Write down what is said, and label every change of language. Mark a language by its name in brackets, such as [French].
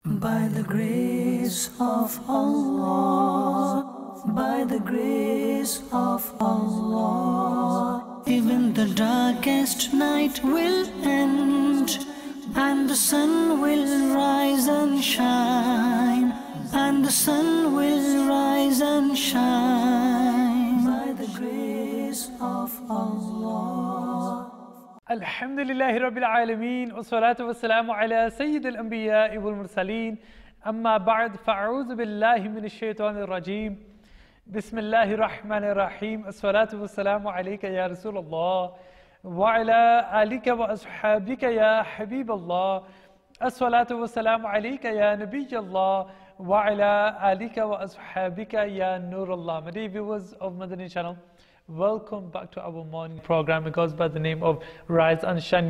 [English] By the grace of Allah, by the grace of Allah, even the darkest night will end, and the sun will rise and shine, and the sun will rise and shine. By the grace of Allah. [Arabic] الحمد لله رب العالمين والصلاة والسلام على سيد الأنبياء والمرسلين أما بعد فأعوذ بالله من الشيطان الرجيم بسم الله الرحمن الرحيم والصلاة والسلام عليك يا رسول الله وعلى آلك وأصحابك يا حبيب الله والصلاة والسلام عليك يا نبي الله وعلى آلك وأصحابك يا نور الله. [English] My dear viewers of Madani Channel, welcome back to our morning program. It goes by the name of Rise and Shine.